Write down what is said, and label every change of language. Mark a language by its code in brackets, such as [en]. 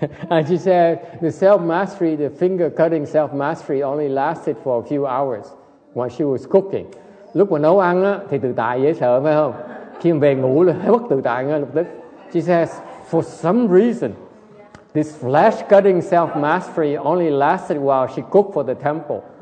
[en] And she said the self mastery, the finger cutting self mastery, only lasted for a few hours while she was cooking. [vi] Lúc mà nấu ăn á thì tự tại dễ sợ phải không? Khi về ngủ là bất tự tại ngay lập tức. [en] She says, for some reason, this flesh-cutting self-mastery only lasted while she cooked for the temple.